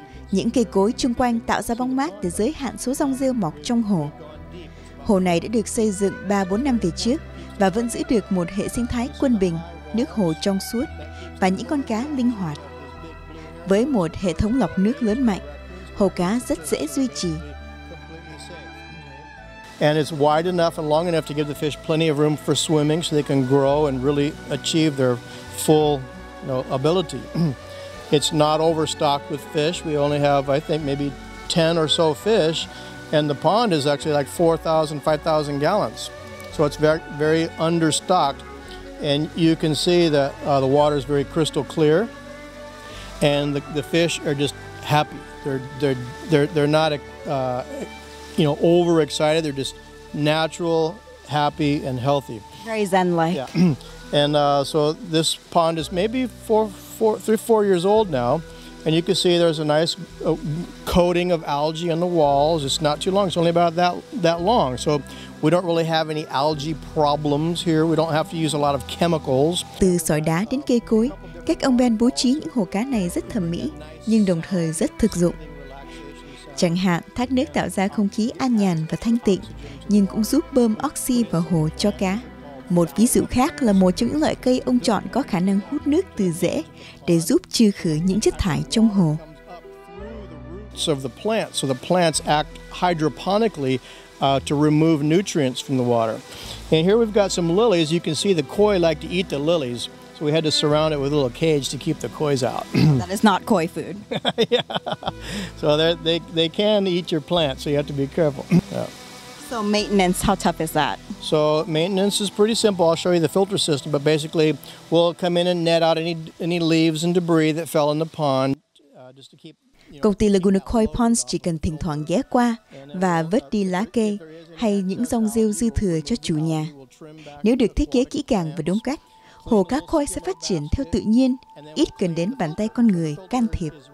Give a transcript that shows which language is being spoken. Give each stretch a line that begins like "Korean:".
Vietnamese: Những cây cối chung quanh tạo ra bóng mát để giới hạn số rong rêu mọc trong hồ. Hồ này đã được xây dựng 3-4 năm về trước và vẫn giữ được một hệ sinh thái quân bình, nước hồ trong suốt và những con cá linh hoạt. Với một hệ thống lọc nước lớn mạnh, hồ cá rất dễ duy trì.
English: And it's wide enough and long enough to give the fish plenty of room for swimming so they can grow and really achieve their full, you know, ability. It's not overstocked with fish. We only have, I think, maybe 10 or so fish. And the pond is actually like 4,000, 5,000 gallons. So it's very, very understocked. And you can see that the water is very crystal clear. And the fish are just happy. They're not you know, overexcited. They're just natural, happy, and healthy. Very zen-like. Yeah. And so this pond is maybe three, four years old now. And you can see there's a nice coating of algae on the walls. It's not too long. It's only about that long. So we don't really have any algae problems here. We don't have to use a lot of chemicals.
Vietnamese: Từ sỏi đá đến cây cối, cách ông Ben bố trí những hồ cá này rất thẩm mỹ, nhưng đồng thời rất thực dụng. Chẳng hạn, thác nước tạo ra không khí an nhàn và thanh tịnh, nhưng cũng giúp bơm oxy vào hồ cho cá. Một ví dụ khác là một trong những loại cây ông chọn có khả năng hút nước từ rễ để giúp trừ khử những chất thải trong hồ.
English: So the plants act hydroponically to remove nutrients from the water. And here we've got some lilies. You can see the koi like to eat the lilies. So we had to surround it with a little cage to keep the koi out. That is not koi food. Yeah. So they can eat your plants, so you have to be careful. Yeah. So maintenance, how tough is that? So maintenance is pretty simple. I'll show you the filter system, but basically we'll come in and net out any leaves and debris that fell in the pond just to keep, you know.
Vietnamese: Công ty Laguna Koi Ponds chỉ cần thỉnh thoảng ghé qua và vớt đi lá cây hay những rong rêu dư thừa cho chủ nhà. Nếu được thiết kế kỹ càng và đúng cách, hồ cá koi sẽ phát triển theo tự nhiên, ít cần đến bàn tay con người can thiệp.